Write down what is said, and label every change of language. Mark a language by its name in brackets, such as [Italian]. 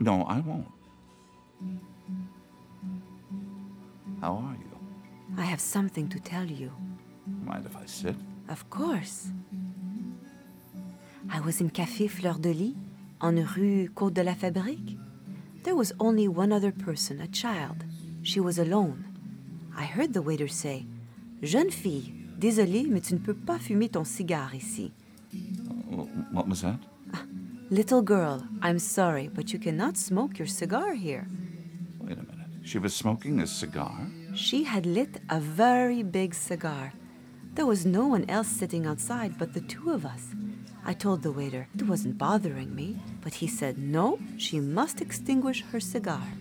[English] No, I won't. How are you? I have something to tell you. Mind if I sit? Of course. I was in Café Fleur de Lis, on Rue Côte de la Fabrique. There was only one other person, a child. She was alone. I heard the waiter say, [French] "Jeune fille, désolée, mais tu ne peux pas fumer ton cigare ici." [English] What was that? Little girl, I'm sorry, but you cannot smoke your cigar here. Wait a minute. She was smoking a cigar? She had lit a very big cigar. There was no one else sitting outside but the two of us. I told the waiter it wasn't bothering me, but he said no, she must extinguish her cigar.